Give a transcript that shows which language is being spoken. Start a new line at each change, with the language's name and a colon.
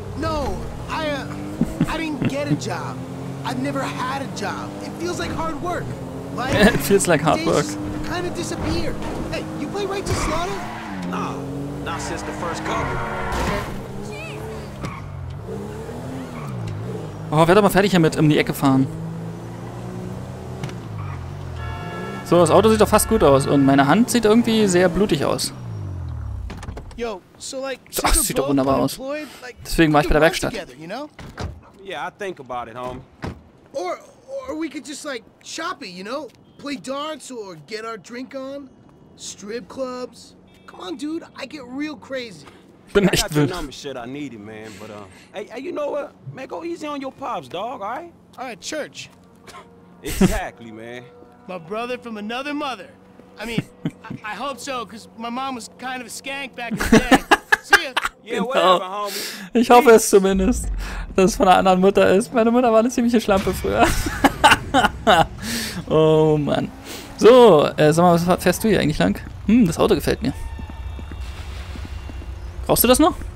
English: No, I didn't get a job. I've never had a job. It feels like hard work. Like, it feels like hard work. Kind of disappeared. Hey, you play Right to Slaughter? Nah, not since the first couple.
German: Oh, werd aber fertig damit, um die Ecke fahren. So, das Auto sieht doch fast gut aus und meine Hand sieht irgendwie sehr blutig aus.
English: Yo, so like,
German: das sieht doch wunderbar aus. Deswegen war ich bei der Werkstatt.
English: Yeah, I think about it, homie. Or we could just like shop it, you know? Play darts or get our drink on. Strip clubs. Come on, dude, I get real crazy.
German: Bin echt wild.
English: Shit, I need it, man. But hey, you know what? Man, go easy on your pops, dog. All right? All right, church. Exactly, man. My brother from another mother. I mean, I hope so, cause my mom was kind of a skank back in the day. See ya. Yeah, whatever, homie.
German: Ich hoffe es zumindest, dass es von einer anderen Mutter ist. Meine Mutter war eine ziemliche Schlampe früher. Oh Mann. So, sag mal, was fährst du hier eigentlich lang? Hm, das Auto gefällt mir. Brauchst du das noch?